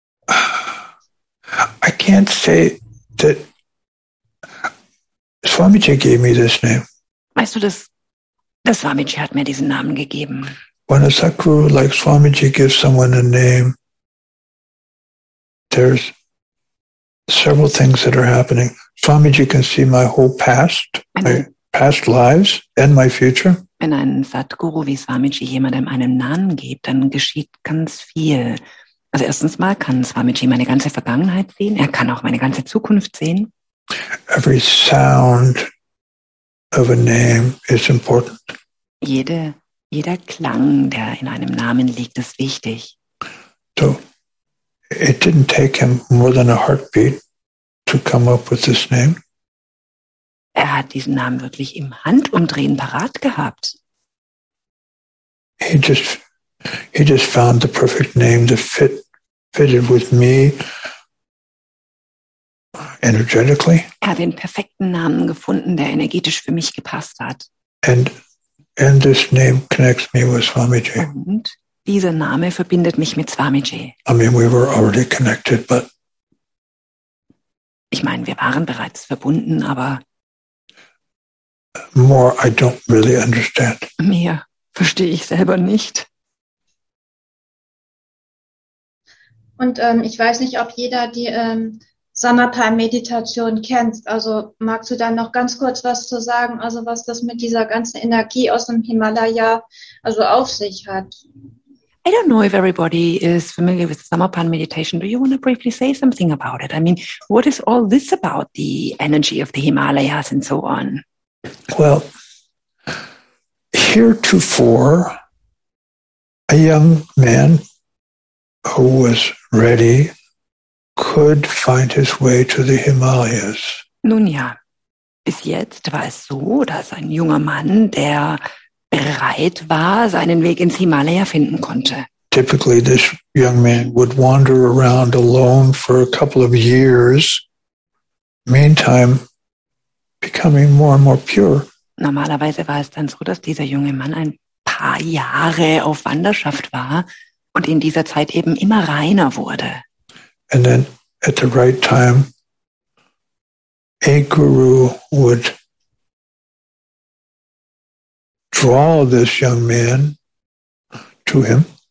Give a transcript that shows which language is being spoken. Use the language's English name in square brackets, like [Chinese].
[English] I can't say that Swamiji gave me this name. [German] Weißt du das? Das Swamiji hat mir diesen Namen gegeben. [English] When a Sadhguru like Swamiji gives someone a name, there's several things that are happening. Swamiji can see my whole past, my past lives and my future. [German] Wenn ein Sadhguru wie Swamiji jemandem einen Namen gibt, dann geschieht ganz viel. Also erstens mal kann Swamiji meine ganze Vergangenheit sehen, er kann auch meine ganze Zukunft sehen. [English] Every sound of a name is important. [German] Jeder Klang, der in einem Namen liegt, ist wichtig. [English] So, it didn't take him more than a heartbeat to come up with this name. [German] Er hat diesen Namen wirklich im Handumdrehen parat gehabt. [English] He just found the perfect name that fitted with me. Energetically. [German] Er hat den perfekten Namen gefunden, der energetisch für mich gepasst hat. [English] And this name connects me with Swamiji. [German] Und dieser Name verbindet mich mit Swamiji. [English] I mean, we were already connected, but [German] Ich meine, wir waren bereits verbunden, aber [English] more I don't really understand. [German] Mehr verstehe ich selber nicht. Und ich weiß nicht, ob jeder die Samatha-Meditation kennt. Also magst du da noch ganz kurz was zu sagen, also was das mit dieser ganzen Energie aus dem Himalaya also auf sich hat? [English] I don't know if everybody is familiar with Samapan meditation. Do you want to briefly say something about it? I mean, what is all this about, the energy of the Himalayas and so on? Well, heretofore, a young man who was ready could find his way to the Himalayas. [German] Nun ja, bis jetzt war es so, dass ein junger Mann, der bereit war, seinen Weg ins Himalaya finden konnte. [English] Typically this young man would wander around alone for a couple of years, meantime becoming more and more pure. [German] Normalerweise war es dann so, dass dieser junge Mann ein paar Jahre auf Wanderschaft war und in dieser Zeit eben immer reiner wurde. [English] And then at the right time a guru would draw this young man to him.